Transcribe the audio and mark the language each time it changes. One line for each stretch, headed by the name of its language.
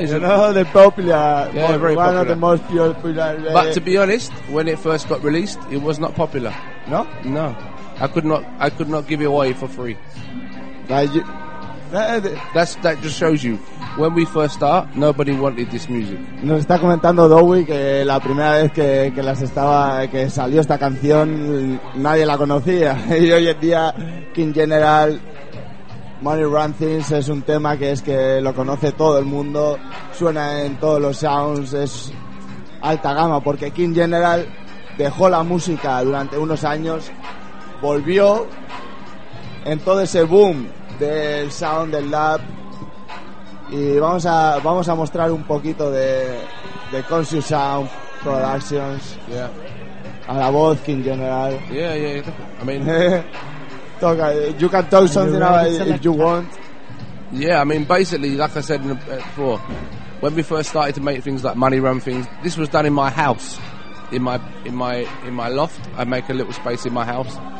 English: you know, the popular, yeah, one, very popular. One of the most popular. But to be honest, when it first got released, it was not popular. No? No. I could not give it away for free. That just shows you. When we first start, nobody wanted this music.
Spanish: Nos está comentando Dowie que la primera vez que las estaba, que salió esta canción, nadie la conocía. Y hoy en día, King General, Money Run Things, es un tema que es que lo conoce todo el mundo, suena en todos los sounds, es alta gama, porque King General dejó la música durante unos años, volvió en todo ese boom del sound, del lab, y vamos a mostrar un poquito de Conscious Sound Productions, yeah, a la voz King General.
English: Yeah, I mean... Talk, you can talk something if you want. Yeah, I mean, basically, like I said before, when we first started to make things like Money Run Things, this was done in my house, in my loft. I make a little space in my house.